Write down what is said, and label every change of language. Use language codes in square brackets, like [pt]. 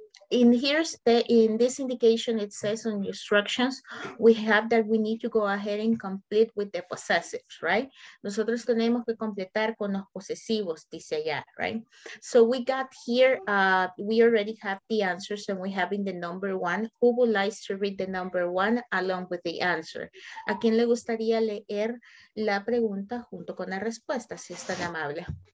[en] In this indication, it says on instructions, we have that we need to go ahead and complete with the possessives, right? [es] Nosotros tenemos que completar con los posesivos, dice allá, right? [en] So we got here, we already have the answers and we have in the number one, who would like to read the number one along with the answer? [es] ¿A quién le gustaría leer la pregunta junto con la respuesta, si es tan amable?